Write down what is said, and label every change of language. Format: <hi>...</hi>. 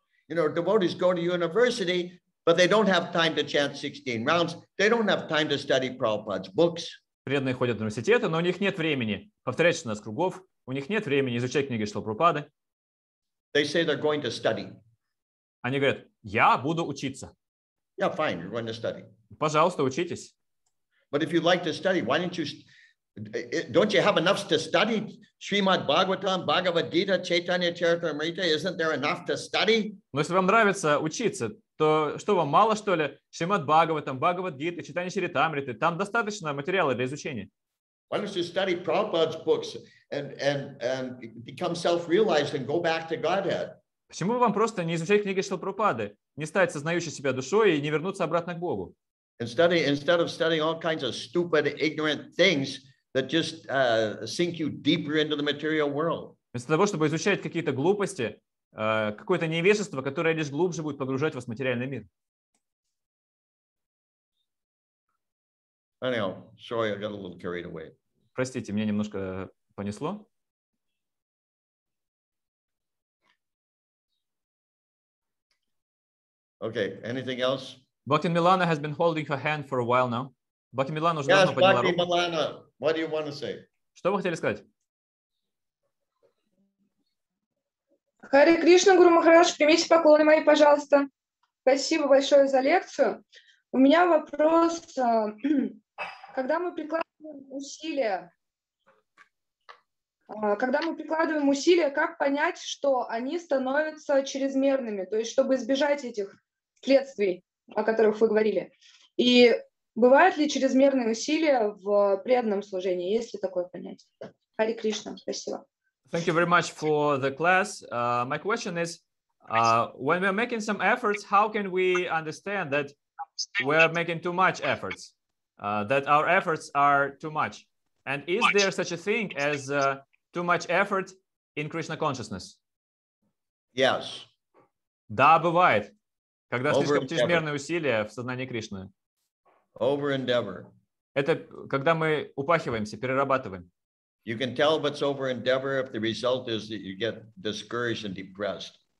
<en>You know, devotees go to university, but they don't have time to chant 16 rounds. They don't have time to study Prabhupada's books.</en> <ru>Преданные ходят в университет, но у них нет времени повторять 16 кругов. У них нет времени изучать книги Шрилы Прабхупады.</ru> <en>They say they're going to study.</en> <ru>Они говорят, я буду учиться.</ru> <en>Yeah, fine, you're going to study.</en> <ru>Пожалуйста, учитесь.</ru> <en>But if you'd like to study, why don't you... Don't you have enough to study Srimad Bhagavatam, Bhagavad Gita, Chaitanya Charitamrita? Isn't there enough to study?</en> <ru>Но если вам нравится учиться, то что вам мало что ли? Шримад Бхагаватам, Бхагавад Гита, Чайтанья Чаритамриты. Там достаточно материала для изучения.</ru> <en>Why don't you study Prabhupada's books and become self-realized and go back to Godhead?</en> <ru>Почему вам просто не изучать книги Шрилы Прабхупады, не стать сознающей себя душой и не вернуться обратно к Богу?</ru> <en>Instead of studying all kinds of stupid, ignorant things that just sink you deeper into the material world.</en> <ru>Вместо того, чтобы изучать какие-то глупости, какое-то невежество, которое лишь глубже будет погружать вас в материальный мир.</ru> <en>Anyhow, sorry, I got a little carried away.</en> <ru>Простите, меня немножко понесло.</ru> <en>Okay, anything else? Bhakti Milana has been holding her hand for a while now. Bhakti Milana</en> <ru>уже давно подняла руку.</ru> <en>Yes, Bhakti Milana, what do you want to say?</en> <ru>Что вы хотели сказать? Харе Кришна, Гуру Махарадж, примите поклоны мои, пожалуйста. Спасибо большое за лекцию. У меня вопрос. Когда мы прикладываем усилия, как понять, что они становятся чрезмерными? То есть, чтобы избежать этих следствий, о которых вы говорили. И бывают ли чрезмерные усилия в преданном служении? Есть ли такое понятие? Харе Кришна, спасибо.</ru> <en>Thank you very much for the class. My question is, when we're making some efforts, how can we understand that we're making too much efforts? That our efforts are too much? And is there such a thing as too much effort in Krishna consciousness? Yes.</en> <ru>Да, бывает. Когда слишком чрезмерные усилия в сознании Кришны.</ru> <en>Over-endeavor.</en> <ru>Это когда мы упахиваемся, перерабатываем.</ru> <en>You can tell if it's over-endeavor if the result is that you get discouraged and depressed.</en>